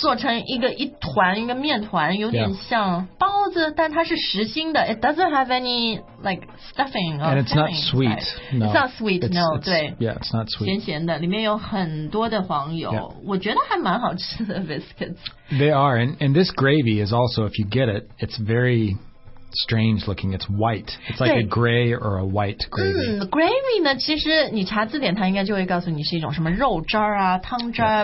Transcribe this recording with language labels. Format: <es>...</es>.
<zh>做成一个一团一个面团有点像包子、</zh> <en>yeah. 但它是实心的 it doesn't have any like stuffing or and it's not sweet、 right. no. it's not sweet it's, no it's,</en> <zh>对</zh> <en>yeah it's not sweet</en> <zh>咸咸的里面有很多的黄油、</zh> <en>yeah.</en> <zh>我觉得还蛮好吃的 biscuits</zh> <en>they are and this gravy is also if you get it it's verystrange looking. It's white. It's like a gray or a white gravy.</en> <zh>Gravy 呢其实你查字典它应该就会告诉你是一种什么肉汁啊汤汁啊、</zh>